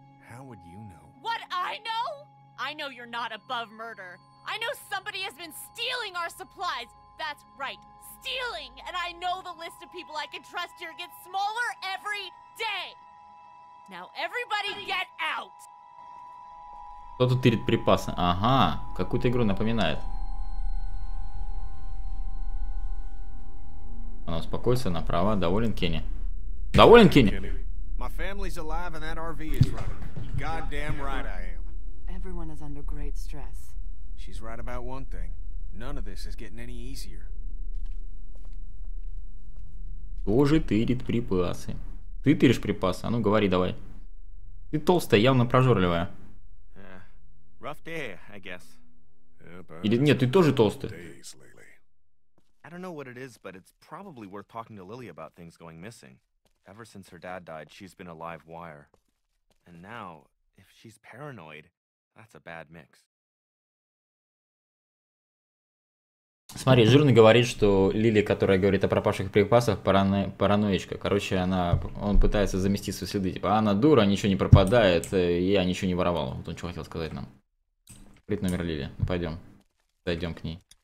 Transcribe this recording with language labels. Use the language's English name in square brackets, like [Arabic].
[English] How would you know? What I know? I know you're not above murder. I know somebody has been stealing our supplies. That's right, stealing! And I know the list of people I can trust here gets smaller every day! Now everybody get out! [Russian] Кто тут тырит припасы? Ага, какую-то игру напоминает. Она успокоится, она права. Доволен Кенни? Доволен Кенни? [English] My family's alive and that RV is running. Goddamn right I am. Everyone is under great stress. She's right about one thing. None of this is getting any easier. [Russian] Тоже тырит припасы. Ты тыришь припасы? А ну говори давай. Ты толстая, явно прожорливая. [English] Rough day, I guess. [Russian] Или нет, ты тоже толстый. [English] I don't know what it is, but it's probably worth talking to Lily about things going missing. Ever since her dad died, she's been a live wire. And now, if she's paranoid, that's a bad mix. [Russian] Смотри, Жирный говорит, что Лили, которая говорит о пропавших припасах, параноичка. Короче, он пытается замести свои следы. Типа, она дура, ничего не пропадает, я ничего не воровал. Вот он что хотел сказать нам. Открыть номер Лили. Ну, пойдем. Зайдем к ней.